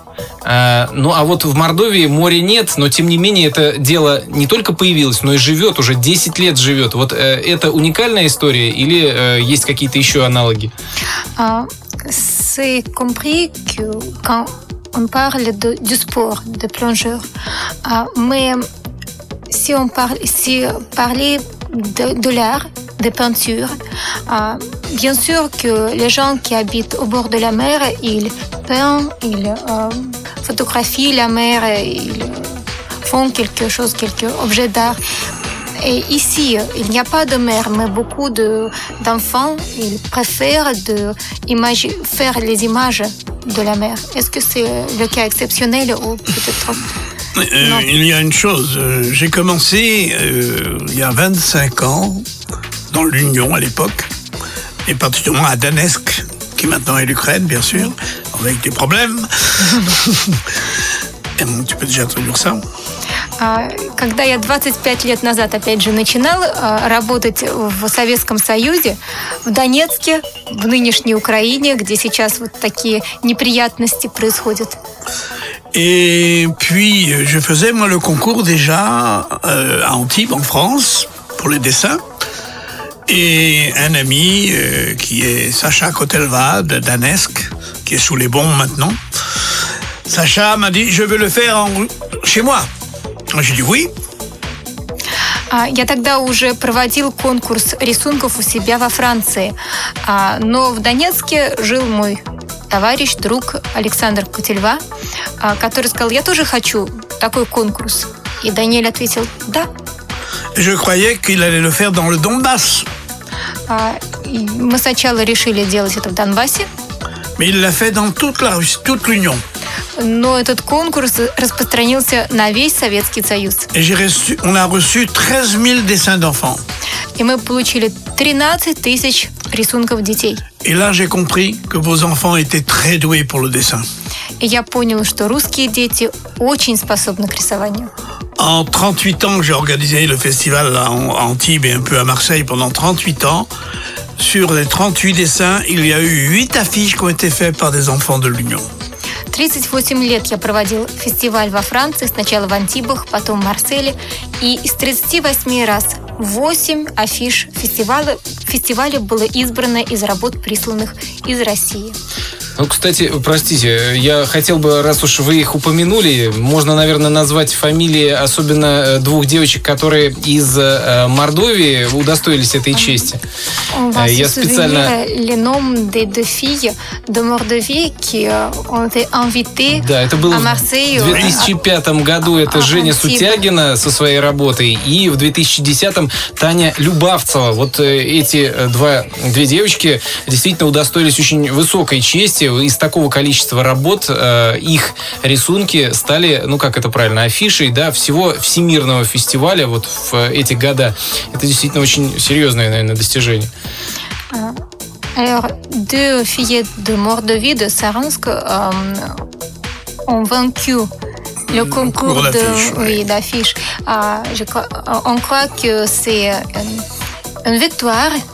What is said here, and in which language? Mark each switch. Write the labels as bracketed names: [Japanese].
[Russian] Ну, а вот в Мордовии моря нет, но, тем не менее, это дело не только появилось, но и живет, уже 10 лет живет. Вот это уникальная история или есть какие-то еще аналоги? [French] C'est compris que quand on parle du sport, de plongeur, mais si on parle de l'art, de peinture, bien sûr que les gens qui habitent au bord de la mer, ils peignent, ils photographient la mer, ils font quelque chose, quelques objets d'art. Et ici, il n'y a pas de mer, mais beaucoup d'enfants, ils préfèrent faire les images de la mer. Est-ce que c'est le cas exceptionnel ou peut-être non? Il y a une chose, j'ai commencé il y a 25 ans, dans l'Union à l'époque, et particulièrement à Donetsk, qui maintenant est l'Ukraine, bien sûr, avec des problèmes. Tu peux déjà traduire ça. [Russian] Когда я 25 лет назад, опять же, начинал работать в Советском Союзе, в Донецке, в нынешней Украине, где сейчас вот такие неприятности происходят. [French] Et puis, je faisais, moi, le concours déjà à Antibes, en France, pour les dessins. Et un ami qui est Sacha Kotelva de Danesk, qui est sous les bombes maintenant. Sacha m'a dit, je veux le faire chez moi. J'ai dit oui. [Russian] Я тогда уже проводил конкурс рисунков у себя во Франции. Но в Донецке жил мой товарищ, друг Александр Котельва, который сказал, я тоже хочу такой конкурс. И Даниэль ответил, да. [French] Je croyais qu'il allait le faire dans le Donbass. [Russian] Мы сначала решили делать это в Донбассе. [French] Mais il l'a fait dans toute l'Union. [Russian] Но этот конкурс распространился на весь Советский Союз. [French] Et on a reçu 13 000 dessins d'enfants. [Russian] И мы получили 13 тысяч рисунков детей. [French] Et là, j'ai compris que vos enfants étaient très doués pour le dessin. [Russian] И я понял, что русские дети очень способны к рисованию. [French] En 38 ans que j'ai organisé le festival à Antibes et un peu à Marseille pendant 38 ans, sur les 38 dessins, il y a eu 8 affiches qui ont été faites par des enfants de l'Union. [Russian] 38 лет я проводил фестиваль во Франции, сначала в Антибах, потом в Марселе, и из 38 раз 8 афиш фестиваля было избрано из работ, присланных из России. Ну, кстати, простите, я хотел бы, раз уж вы их упомянули, можно, наверное, назвать фамилии особенно двух девочек, которые из Мордовии удостоились этой чести. Я специально [French] le nom des deux filles de Mordovie qui ont été invitées. [Russian] Да, это было в 2005 году. Это Женя Сутягина со своей работой. И в 2010 Таня Любавцева. Вот эти две девочки действительно удостоились очень высокой чести. Из такого количества работ их рисунки стали, ну как это правильно, афишей, да, всего всемирного фестиваля вот в эти года. Это действительно очень серьезное, наверное, достижение. [French] Alors, deux filles de Mordovie, de Saransk, ont vaincu le concours de, oui, d'affiche. On croit que c'est une victoire.